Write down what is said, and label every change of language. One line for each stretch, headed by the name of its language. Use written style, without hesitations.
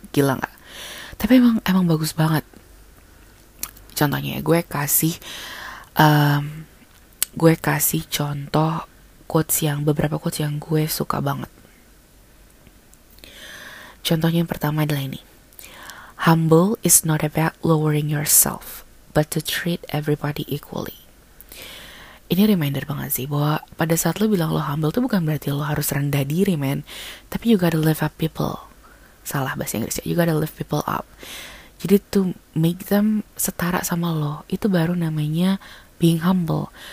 Indonesian: Gila gak? Tapi emang bagus banget. Contohnya ya, gue kasih contoh quotes yang, beberapa quotes yang gue suka banget. Contohnya yang pertama adalah ini.
English: Humble is not about lowering yourself, but to treat everybody equally.
Indonesian: Ini reminder banget sih, bahwa pada saat lo bilang lo humble, itu bukan berarti lo harus rendah diri, man.
English: Tapi you gotta lift up people.
Indonesian: Salah bahasa Inggrisnya.
English: You gotta lift people up.
Indonesian: Jadi
English: to make them
Indonesian: setara sama lo, itu baru namanya
English: being humble.